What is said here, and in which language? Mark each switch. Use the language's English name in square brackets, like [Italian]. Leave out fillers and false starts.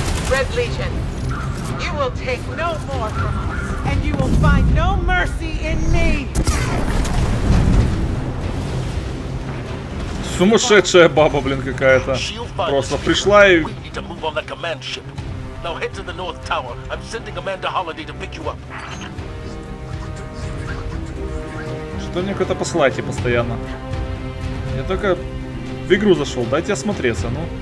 [English] Red Legion, you will take no more from us, and you will find no mercy in me. [Russian] Сумасшедшая баба, блин, какая-то. Просто пришла и... [English] Now head to the North Tower. I'm sending Amanda Holiday to pick you up. [Russian] Что мне кто-то посылайте постоянно? Я только в игру зашел, дайте осмотреться, ну.